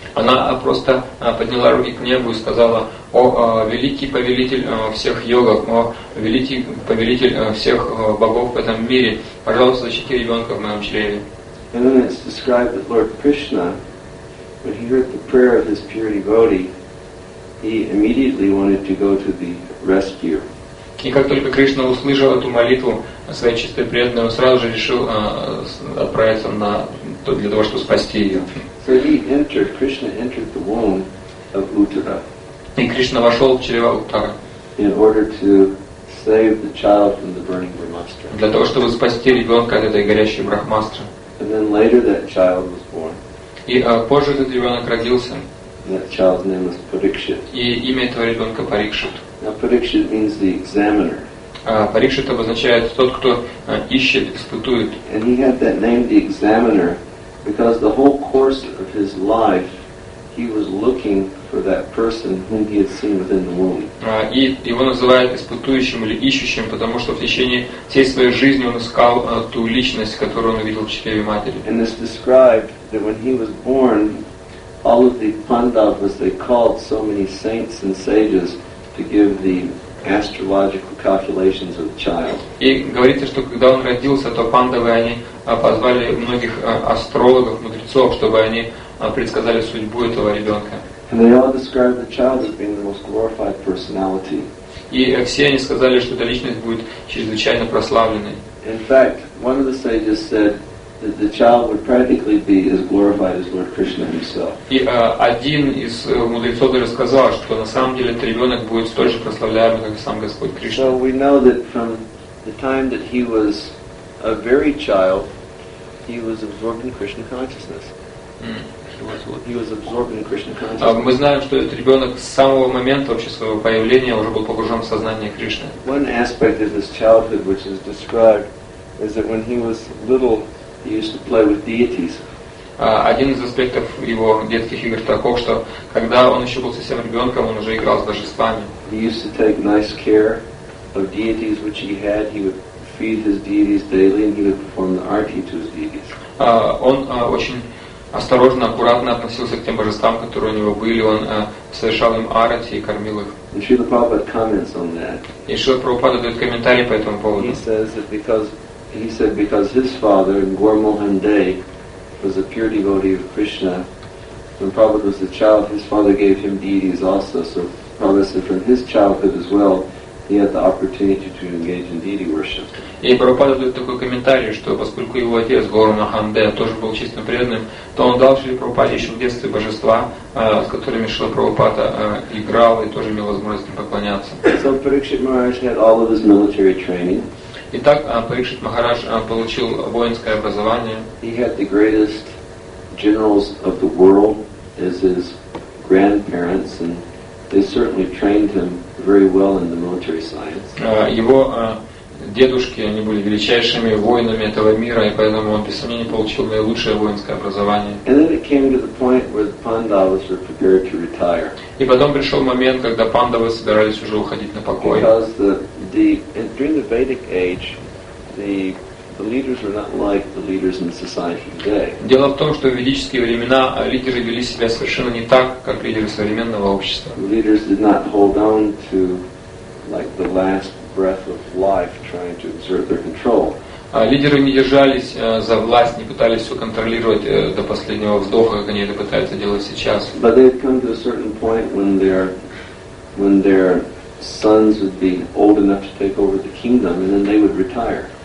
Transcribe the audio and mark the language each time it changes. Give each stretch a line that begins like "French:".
Russian: Она просто подняла руки к небу и сказала: «О, великий повелитель всех йогов, о, великий повелитель всех богов в этом мире, пожалуйста, защити ребенка в моем чреве».
English: And then it's described that Lord Krishna, when he heard the prayer of his pure devotee, he immediately wanted to go to the rescue.
Russian: И как только Кришна услышал эту молитву своей чистой преданной, он сразу же решил отправиться на то, для того, чтобы спасти ее.
English: So he entered, Krishna entered the womb of Uttara.
Russian: И Кришна вошел в чрево Уттары.
English: In order to save the child from the burning Brahmastra.
Russian: Для того, чтобы спасти ребенка от этой горящей Брахмастры.
English: And then later that child was born.
Russian: И позже этот ребенок родился.
English: That child's name was Parikshit.
Russian: И имя этого ребенка Парикшит.
English: Now Parikshit means the examiner.
Russian: Парикшит обозначает тот, кто ищет, испытует.
English: And he had that name, the examiner, because the whole course of his life he was looking for that person whom he had seen within the womb.
Russian: И его называют испытующим или ищущим, потому что в течение всей своей жизни он искал ту личность, которую он видел в чреве матери.
English: And it's described that when he was born, all of the Pandavas, they called so many saints and sages to give the astrological calculations of the child.
Russian: И говорится, что когда он родился, то Пандавы они позвали многих астрологов, мудрецов, чтобы они предсказали судьбу этого ребенка.
English: And they all described the child as being the most glorified personality.
Russian: И все они сказали, что эта личность будет чрезвычайно прославленной.
English: In fact, one of the sages said that the child would practically be as glorified as Lord Krishna himself.
Russian: И один из мудрецов даже сказал, что на самом деле этот ребенок будет столь же прославляемым, как сам Господь Кришна.
English: So we know that from the time that he was a very child, he was absorbed in Krishna consciousness.
Russian: Мы знаем, что этот ребенок с самого момента вообще своего появления уже был погружен в сознание Кришны.
English: One aspect of his childhood, which is described, is that when he was little, he used to play with deities.
Russian: Один из аспектов его детских игр таков, что когда он еще был совсем ребенком, он уже играл с божествами.
English: He used to take nice care of deities which he had. He would feed his deities daily, and he would perform the arti to his deities.
Russian: Осторожно, аккуратно относился к тем божествам, которые у него были. Он совершал им арати и кормил их.
English: И Шрила Прабхупада comments on that.
Russian: И Шрила Прабхупада дает комментарий по этому поводу.
English: He said because his father, Gaur Mohan Day, was a pure devotee of Krishna, when Prabhupada was a child, his father gave him deities also. So Prabhupada said from his childhood as well, he had the opportunity to engage in deity worship.
Russian: И Прабхупада дает такой комментарий, что поскольку его отец Гору Маханде тоже был чистым преданным, то он дал Шриле Прабхупаде еще в детстве божества, с которыми Шрила Прабхупада играл и тоже имел возможность им поклоняться.
English: So Parikshit Maharaj had all of his military training.
Russian: Итак, Парикшит Махарадж получил воинское образование.
English: He had the greatest generals of the world as his grandparents, and they certainly trained him very well in the military science.
Russian: Его дедушки, они были величайшими воинами этого мира, и поэтому он, без сомнения, получил наилучшее воинское образование.
English: And then it came to the point where the Pandavas were prepared to retire.
Russian: И потом пришел момент, когда Пандавы собирались уже уходить на покой.
English: Because during the Vedic age, the leaders were not like the leaders in society today.
Russian: Дело в том, что в ведические времена лидеры вели себя совершенно не так, как лидеры современного общества.
English: The leaders did not hold on to like the last breath of life, trying to exert their control.
Russian: Лидеры не держались за власть, не пытались все контролировать до последнего вздоха, как они это пытаются делать сейчас.
English: But they had come to a certain point when their sons would be old enough to take over the kingdom, and then they would retire.